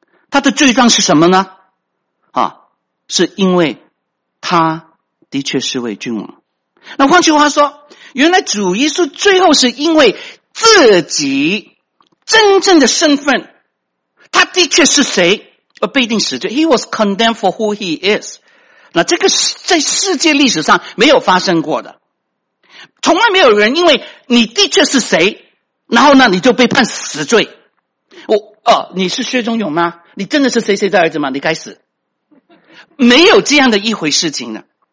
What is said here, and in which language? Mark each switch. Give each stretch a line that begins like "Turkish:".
Chinese: 他的罪状是什么呢？啊，是因为他的确是位君王。那换句话说，原来主耶稣最后是因为自己真正的身份，他的确是谁而被定死罪。
English: He was condemned for who he is。
Chinese: 那这个在世界历史上没有发生过的，从来没有人因为你的确是谁，然后呢你就被判死罪。你是薛忠勇吗？你真的是谁谁的儿子吗？你该死。没有这样的一回事情呢。